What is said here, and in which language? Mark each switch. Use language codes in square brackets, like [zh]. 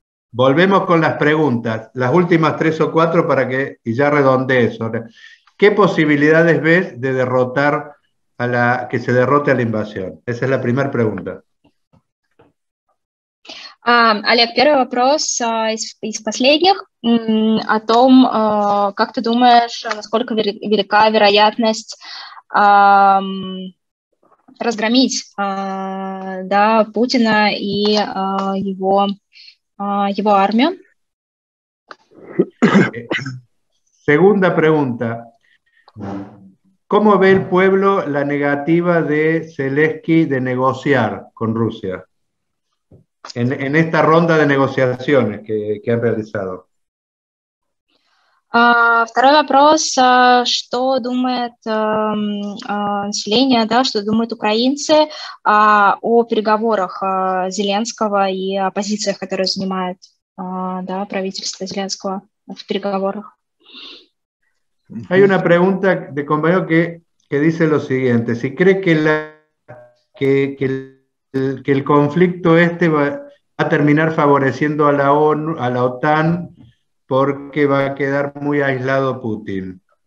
[es] Volvemos con las preguntas, las últimas tres o cuatro y ya redondees. ¿Qué posibilidades ves de derrotar que se derrote a la invasión? Esa es la primera pregunta. [ru] Олег, первый вопрос из последних о том, как ты думаешь, насколько велика вероятность разгромить Путина и его армию? [es] Segunda pregunta. ¿Cómo ve el pueblo la negativa de Zelensky de negociar con Rusia en esta ronda de negociaciones que han realizado? [ru] Второй вопрос. Что думает население, да, что думают украинцы о переговорах Зеленского и о позициях, которые занимает правительство Зеленского в переговорах? [es] Hay una pregunta de compañero que dice lo siguiente: si cree que el conflicto este va a terminar favoreciendo a la ONU, a la OTAN, porque va a quedar muy aislado Putin.